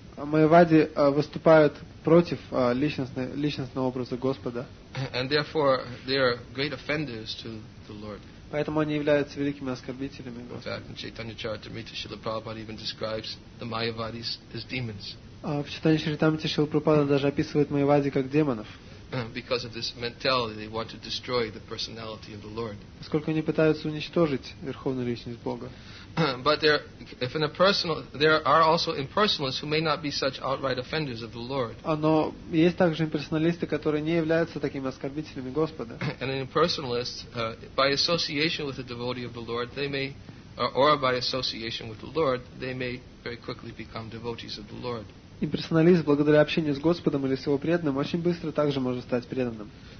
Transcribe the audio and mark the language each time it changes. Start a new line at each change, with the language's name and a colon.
Russian: Майявади выступают против личностного образа Господа.
English: And therefore, they are great offenders to the Lord.
Russian: Поэтому они являются великими оскорбителями Господа.
English: In fact, Chaitanya Charitamrita, Srila Prabhupada even describes the Mayavadis as demons.
Russian: В читании Чаритамрити Шрила Прабхупада даже описывает майявади как демонов.
English: Because of this mentality, they want to destroy the personality of the Lord.
Russian: Поскольку они пытаются уничтожить верховную личность Бога.
English: But there are also impersonalists who may not be such outright offenders of the Lord.
Russian: Но есть также имперсоналисты, которые не являются такими оскорбителями Господа.
English: And an impersonalist, by association with a devotee of the Lord, they may, or by association with the Lord, they may very quickly become devotees of the Lord.
Russian: Имперсоналист, благодаря общению с Господом или с Его преданным, очень быстро также может стать преданным.